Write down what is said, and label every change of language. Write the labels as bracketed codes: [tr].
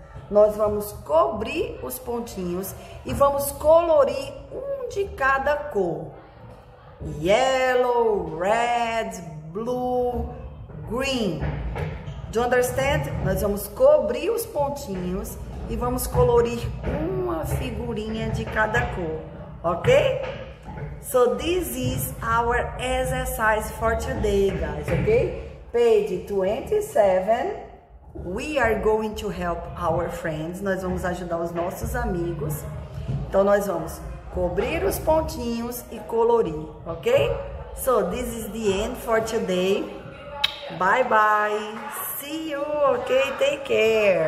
[pt] Nós vamos cobrir os pontinhos e vamos colorir um de cada cor. [en] Yellow, red, blue, green. Do you understand? [pt] Nós vamos cobrir os pontinhos e vamos colorir uma figurinha de cada cor. [en] Ok? So this is our exercise for today, guys. Ok? Page 27. We are going to help our friends. [pt] Nós vamos ajudar os nossos amigos. Então, nós vamos cobrir os pontinhos e colorir, ok? [en] So, this is the end for today. Bye, bye. See you, ok? Take care.